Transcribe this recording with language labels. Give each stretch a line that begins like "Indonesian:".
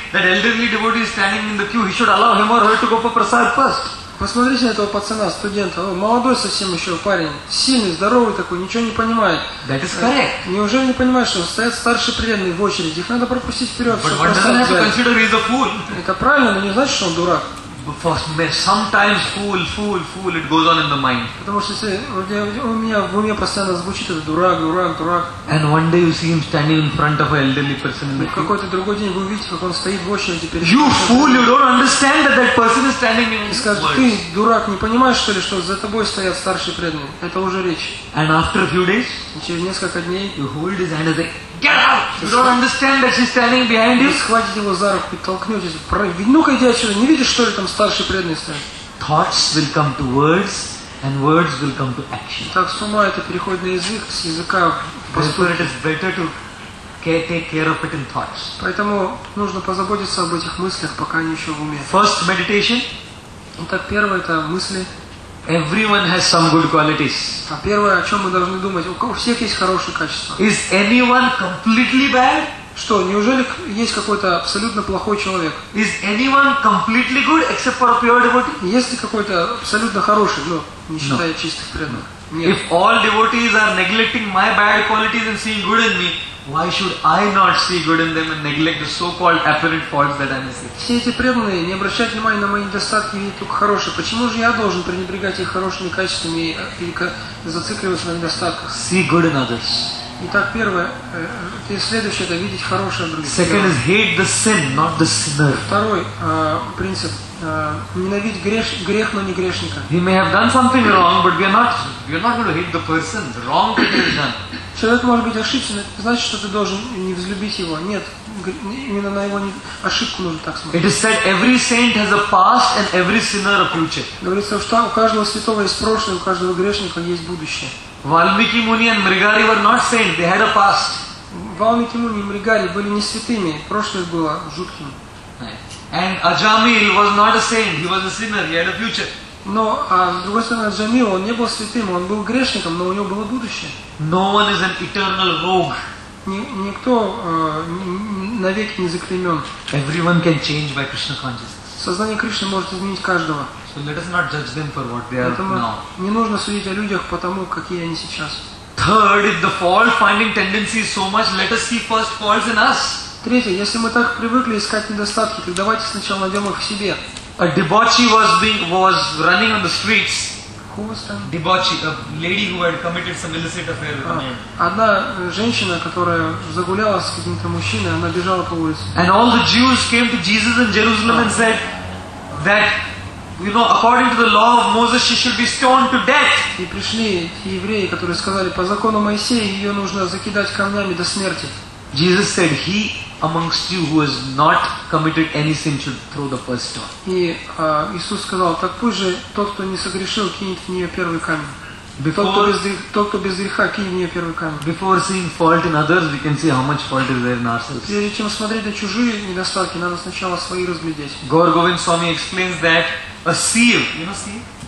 English: That elderly devotee is standing in the queue. He should allow him or her to go for prasad first.
Russian: Посмотрите на этого пацана, студента. Он молодой совсем еще парень. Сильный, здоровый такой, ничего не понимает.
English: That is correct.
Russian: Неужели не понимаешь, что стоят старшие преданные в очереди? Их надо пропустить вперед.
English: But one doesn't have to consider he is a fool.
Russian: Это правильно, но не значит, что он дурак.
English: for sometimes fool, it goes on in the mind. And one day you see him standing in front of an elderly person in the queue. You fool, you don't understand that that person is standing in the queue. And after a few days, you hold his hand and say, get out! You don't understand that she's standing behind you.
Russian: Схватите его за руку, толкнётесь. Ну-ка, иди отсюда. Не видишь, что ли, там старший преданный стоит?
English: Thoughts will come to words, and words will come to action.
Russian: Так с ума это переходит на язык, с языка.
English: Therefore, it is better to take care of it in thoughts.
Russian: Поэтому нужно позаботиться об этих мыслях, пока они ещё в уме.
English: First meditation.
Russian: Итак, первое это мысли.
English: Everyone has some good qualities.
Russian: А первое, о чем мы должны думать, у всех есть хорошие качества.
English: Is anyone completely bad?
Russian: Что, неужели есть какой-то абсолютно плохой человек?
English: Is anyone completely good except for a pure devotee?
Russian: Есть ли какой-то абсолютно хороший, но не считая чистых преданных? Нет.
English: If all devotees are neglecting my bad qualities and seeing good in me, why should I not see good in them and neglect the so-called apparent faults that I may see?
Russian: Все эти преданные не обращают внимания на мои недостатки и видят только хорошие. Почему же я должен пренебрегать их хорошими качествами и зацикливаться на недостатках?
English: See good in others.
Russian: Итак, первое, и следующее, это видеть хорошее в других.
English: Second is hate the sin, not the sinner.
Russian: Второй принцип. Ненавидь грех, но не грешника.
English: He may have done something wrong, but we are not going to hate the person. The wrong thing is done.
Russian: Человек может быть ошибся, но это значит, что ты должен не взлюбить его. Нет, именно на его ошибку нужно так смотреть.
English: It is said every saint has a past and every sinner a future.
Russian: Говорится, что у каждого святого есть прошлое, у каждого грешника есть будущее.
English: Valmiki Muni and Mrigari were not saints, they had a past.
Russian: Valmiki Muni и Мригари были не святыми, прошлое было жутким.
English: And Ajamil was not a saint, he was a sinner, he had a future.
Russian: Но, с другой стороны, Аджамил, он не был святым, он был грешником, но у него было будущее.
English: No one is an eternal rogue.
Russian: Никто навеки не заклеймен.
English: Everyone can change by Krishna consciousness.
Russian: Сознание Кришны может изменить каждого.
English: So let us not judge them for what they are now.
Russian: Не нужно судить о людях по тому, какие они сейчас.
English: Third, if the fault-finding tendency is so much, let us see first faults in us.
Russian: Третье, если мы так привыкли искать недостатки, так давайте сначала найдем их в себе.
English: A debauchee was running on the streets. Who was that? Debauchee, a lady who had committed some illicit affair with a man.
Russian: Одна женщина, которая загуляла с каким-то мужчиной, она бежала по улице.
English: And all the Jews came to Jesus in Jerusalem and said that, you know, according to the law of Moses, she should be stoned to death.
Russian: И пришли те евреи, которые сказали, по закону Моисея ее нужно закидать камнями до смерти.
English: Jesus said, he amongst you who has not committed any sin should throw the first stone.
Russian: И Иисус сказал, так пусть же тот, кто не согрешил, кинет в нее первый камень. Тот, кто без греха, кинет в нее первый камень.
English: Before seeing fault in others, we can see how much fault is there in ourselves.
Russian: Прежде чем смотреть на чужие недостатки, надо сначала свои разглядеть.
English: Gaur Govind Swami explains that a sieve, you know sieve?